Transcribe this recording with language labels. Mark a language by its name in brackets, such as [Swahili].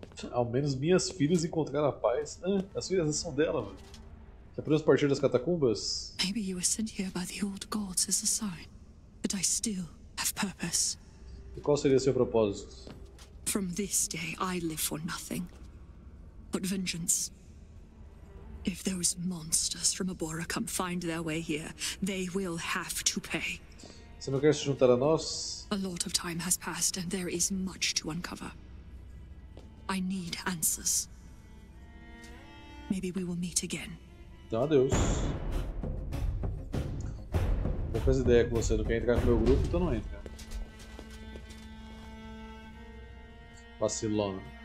[Portuguese] Ao menos minhas filhas encontraram a paz. Ah, as filhas são dela, mano. Já podemos partir das catacumbas? [English] Maybe you were sent here by the old gods as a sign, but I still have purpose. [Portuguese] E qual seria seu propósito? [English] From this day, I live for nothing but vengeance. If those monsters from Abora come find their way here, they will have to pay. [Portuguese] Você não quer se juntar a nós? [English] A lot of time has passed and there is much to uncover. I need answers. Maybe we will meet again. [Portuguese] Então, adeus. Vou fazer ideia com você, não quer entrar com o meu grupo, então não entra. Vacilona.